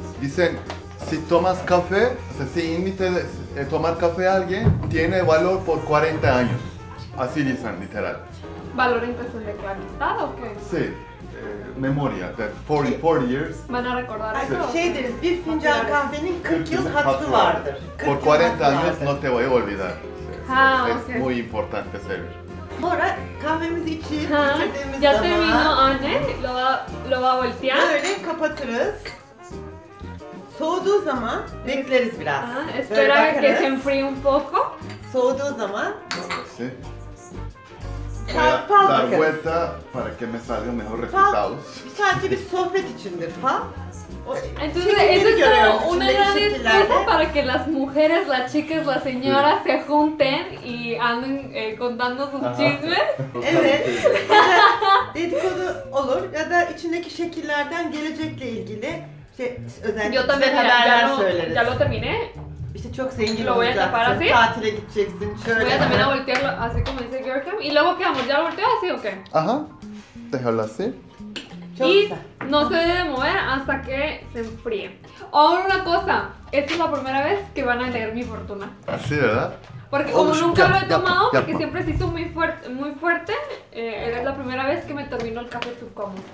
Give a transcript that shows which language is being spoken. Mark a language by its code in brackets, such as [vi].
[es] Dicen, si tomas café, si invites a tomar café a alguien, tiene valor por 40 años. Así dicen, literal. ¿Valor en cuestión de amistad o qué? Sí, memoria, de [en] 40 years. [es] Van a recordar eso. [tr] Şey deriz, bir fincan kahvenin 40 yıl hatırı vardır. [es] Por 40 años no te voy a olvidar. Ah, es muy importante servir. Ahora [tr] kahvemizi içip bitirdiğimiz ya zaman [es] ya terminó anne lo va a voltear. [tr] Böyle kapatırız. Soğuduğu zaman bekleriz biraz. [es] Espera que se enfríe un poco. [tr] Soğuduğu zaman. [es] Sí. Pal dar vuelta para que me salgan mejor resultados. [tr] Sadece bir sohbet içindir pal. [es] Entonces, eso es una gran excusa para que las mujeres, las chicas, las señoras sí. Se junten y anden contando sus chismes. [tr] Evet. Dedikodu olur ya da içindeki şekillerden gelecekle ilgili özellikle haberler söyleriz. [es] Ya lo terminé. [tr] İşte çok zengin olacaksın, tatile gideceksin, şöyle. [es] Voy a también a voltearlo así como dice Görkem. Y luego quedamos, ya lo volteo así o qué? Ajá, déjalo así. Y no se debe mover hasta que se enfríe. Ahora una cosa, esta es la primera vez que van a leer mi fortuna. Sí, ¿verdad? Porque como nunca lo he tomado, porque siempre se hizo muy fuerte, es la primera vez que me termino el café turco.